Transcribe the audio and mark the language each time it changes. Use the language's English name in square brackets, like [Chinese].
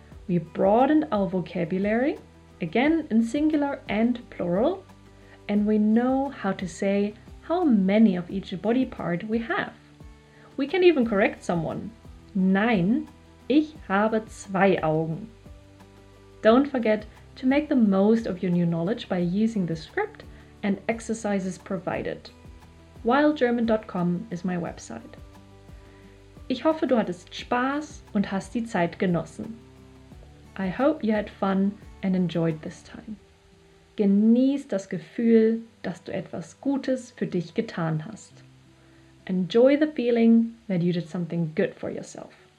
[English] We broadened our vocabulary, again in singular and plural, and we know how to say how many of each body part we have. We can even correct someone. [German] Nein, ich habe 2 Augen. [English] Don't forget to make the most of your new knowledge by using the script and exercises provided. WildGerman.com ist my website. [German] Ich hoffe, du hattest Spaß und hast die Zeit genossen. [English] I hope you had fun and enjoyed this time. [German] Genieß das Gefühl, dass du etwas Gutes für dich getan hast. [English] Enjoy the feeling that you did something good for yourself.